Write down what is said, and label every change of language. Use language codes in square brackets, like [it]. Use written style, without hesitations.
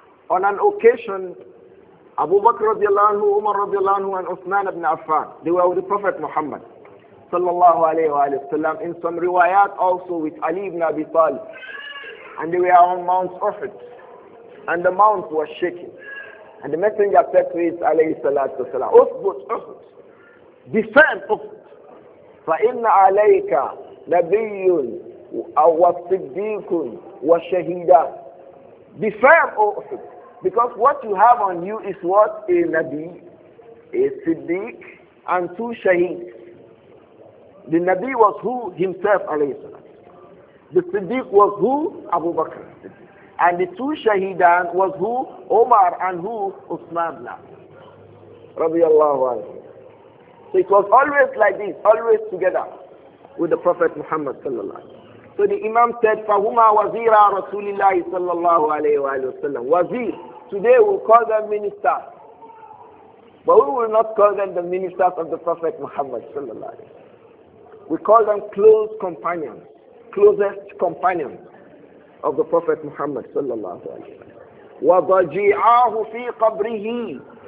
[en] On an occasion, Abu Bakr radiallahu anhu, Umar radiallahu anhu, and Uthman ibn Affan, they were with the Prophet Muhammad sallallahu alayhi wa sallam, in some riwayat also with Ali ibn Abi Talib. And they were on Mount Uhud, and the mount was shaking. And the Messenger said to his alayhi salatu wasalam, Uthbut, defend Uthbut. [ar] فإن عليك نبي أو صديق وشهيدا. [en] Be firm, O Uhud, because what you have on you is what? A Nabi, a Siddiq, and two Shaheed. The Nabi was who? Himself, alayhi salam. The Siddiq was who? Abu Bakr. And the two Shaheedan was who? Omar and who? Uthman. Radiallahu anhu. So it was always like this, always together with the Prophet Muhammad sallallahu alayhi wa sallam. So the Imam said, [ar] فَهُمَا وَزِيرَا رَسُولِ اللَّهِ صَلَّى اللَّهُ عَلَيْهِ وَعَلَيْهِ وَسَلَّمُ. [en] Wazir, today we'll call them ministers. But we will not call them the ministers of the Prophet Muhammad sallallahu alayhi wa sallam. We call them close companions, closest companions of the Prophet Muhammad sallallahu alayhi wa sallam. [ar] وَضَجِعَاهُ فِي قَبْرِهِ.